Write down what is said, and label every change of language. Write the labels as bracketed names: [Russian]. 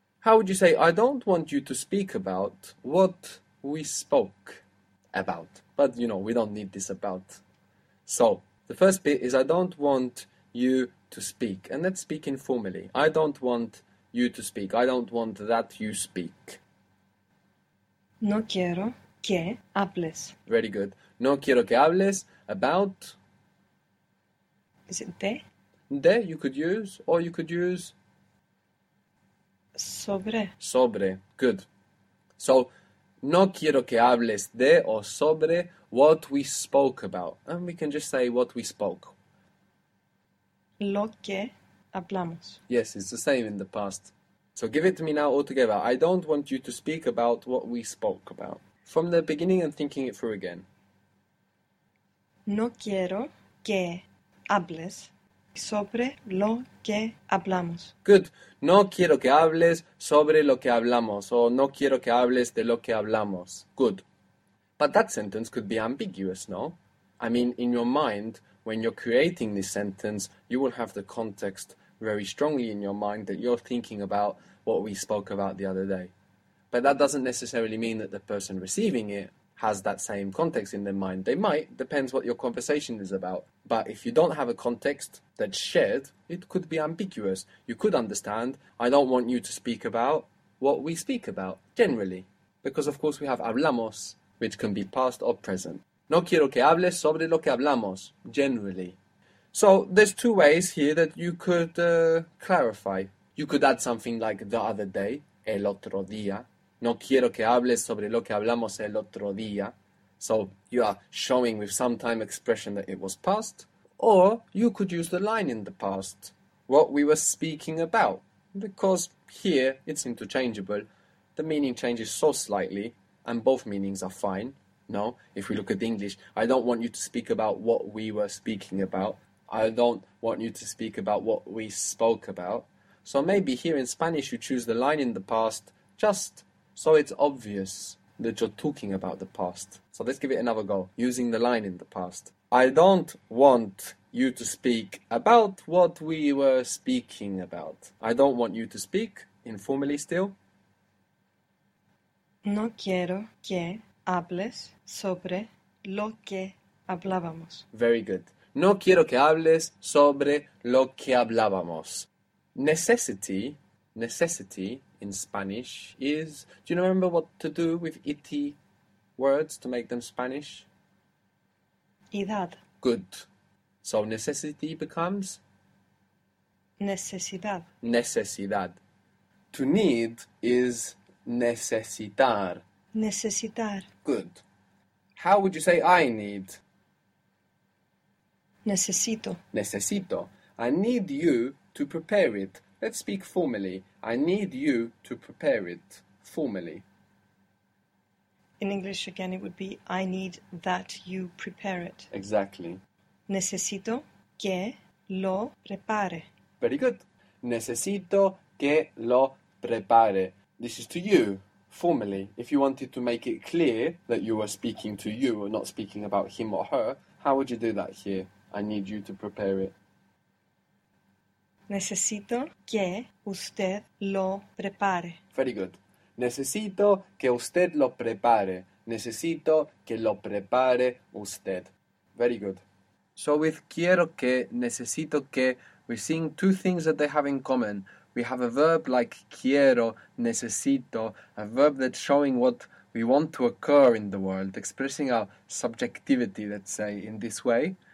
[English] How would you say, I don't want you to speak about what we spoke about? But, you know, we don't need this about. So, the first bit is, I don't want you to speak. And let's speak informally. I don't want you to speak. I don't want that you speak. [Spanish] No quiero que hables. [English] Very good. [Spanish] No quiero que hables [English] about... Is it de? De, you could use, or you could use... [Spanish] Sobre. Sobre, good. So, no quiero que hables de o sobre [English] what we spoke about. And we can just say what we spoke. [Spanish] Lo que hablamos. [English] Yes, it's the same in the past. So give it to me now altogether. I don't want you to speak about what we spoke about. From the beginning and thinking it through again. [Spanish] No quiero que hables sobre lo que hablamos. [English] Good. [Spanish] No quiero que hables sobre lo que hablamos. Or no quiero que hables de lo que hablamos. [English] Good. But that sentence could be ambiguous, no? I mean, in your mind, when you're creating this sentence, you will have the context very strongly in your mind that you're thinking about what we spoke about the other day. But that doesn't necessarily mean that the person receiving it has that same context in their mind. They might, depends what your conversation is about. But if you don't have a context that's shared, it could be ambiguous. You could understand, I don't want you to speak about what we speak about, generally. Because of course we have hablamos, which can be past or present. [Spanish] No quiero que hables sobre lo que hablamos, [English] generally. So there's two ways here that you could clarify. You could add something like the other day, [Spanish] el otro día. No quiero que hables sobre lo que hablamos el otro día. [English] So you are showing with some time expression that it was past. Or you could use the line in the past, what we were speaking about. Because here it's interchangeable. The meaning changes so slightly and both meanings are fine. No, if we look at English, I don't want you to speak about what we were speaking about. I don't want you to speak about what we spoke about. So maybe here in Spanish you choose the line in the past just so it's obvious that you're talking about the past. So let's give it another go, using the line in the past. I don't want you to speak about what we were speaking about. I don't want you to speak, informally still. [Spanish] No quiero que hables sobre lo que hablábamos. [English] Very good. [Spanish] No quiero que hables sobre lo que hablábamos. [English] Necessity in Spanish is... Do you remember what to do with iti words to make them Spanish? [Spanish] Edad. [English] Good. So necessity becomes? [Spanish] Necesidad. [English] Necesidad. To need is necesitar. [Spanish] Necesitar. [English] Good. How would you say I need? [Spanish] Necesito. [English] Necesito. I need you to prepare it. Let's speak formally. I need you to prepare it formally. In English, again, it would be, I need that you prepare it. Exactly. [Spanish] Necesito que lo prepare. [English] Very good. [Spanish] Necesito que lo prepare. [English] This is to you, formally. If you wanted to make it clear that you were speaking to you and not speaking about him or her, how would you do that here? I need you to prepare it. [Spanish] Necesito que usted lo prepare. [English] Very good. [Spanish] Necesito que usted lo prepare. Necesito que lo prepare usted. [English] Very good. So with [Spanish] quiero que, necesito que, [English] we're seeing two things that they have in common. We have a verb like quiero, necesito, a verb that's showing what we want to occur in the world, expressing our subjectivity, let's say, in this way.